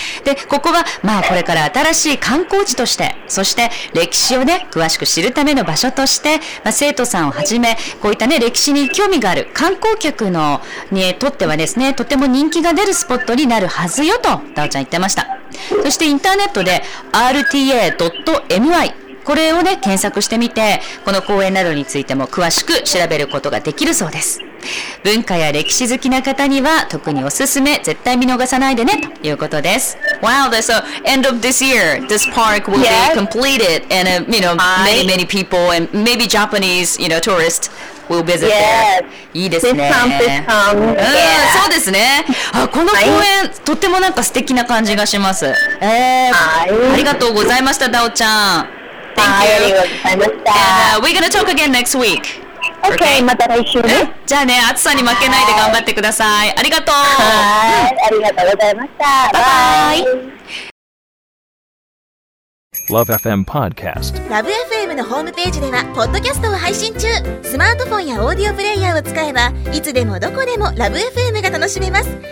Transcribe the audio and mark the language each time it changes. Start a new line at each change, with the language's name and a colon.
Japanese: で、ここは、まあこれから新しい観光地として、そして歴史をね、詳しく知るための場所として、まあ生徒さんをはじめ、こういったね、歴史に興味がある観光客の、にとってはですね、とても人気が出るスポットになるはずよと、ダオちゃん言ってました。そしてインターネットで rta.my これをね検索してみて、この公園などについても詳しく調べることができるそうです。文化や歴史好きな方には特におすすめ、絶対見逃さないでねということです。
English: Wow, that's the end of this year. This park will be completed and you know, many many people and maybe Japanese, you know, tourists will visit there.
Japanese: いいですね。そうですね。あ、この公園とってもなんか素敵な感じがします。ありがとうございました、ダオちゃん。
English: Thank you. And, we're gonna talk again next week.
Japanese: Okay, また来週ね。じゃあね、暑さに負けないで頑張ってください。ありがとう。はい、ありがとうございました。バイバイ。 Love FM Podcast。 Love FM のホームページではポッドキャストを配信中。スマートフォンやオーディオプレイヤーを使えばいつでもどこでも Love FM が楽しめます。